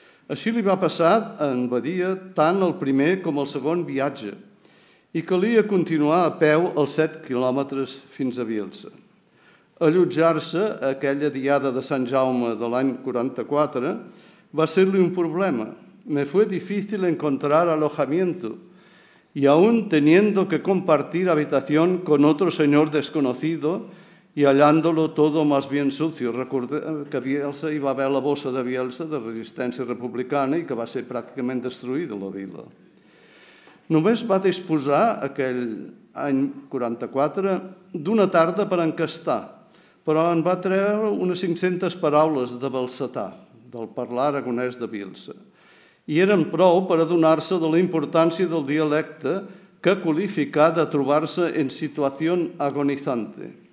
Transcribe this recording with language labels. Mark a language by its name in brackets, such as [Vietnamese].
[Catalan] Així li va passar a en Badia tant el primer com el segon viatge i calia continuar a peu els 7 quilòmetres fins a Bielsa. Allotjar-se a aquella diada de Sant Jaume de l'any 44 va ser-li un problema. [Spanish] Me fue difícil encontrar alojamiento y aún teniendo que compartir habitación con otro señor desconocido y hallándolo todo más bien sucio. [Catalan] Recordem que a Bielsa hi va haver la bossa de Bielsa de resistència republicana i que va ser pràcticament destruïda la vila. Només va disposar aquell any 44 d'una tarda per encastar, però en va treure unes 500 paraules de Balsatà, del parlar aragonès de Bielsa, i eren prou per adonar-se de la importància del dialecte que qualificà de trobar-se en situació agonizante.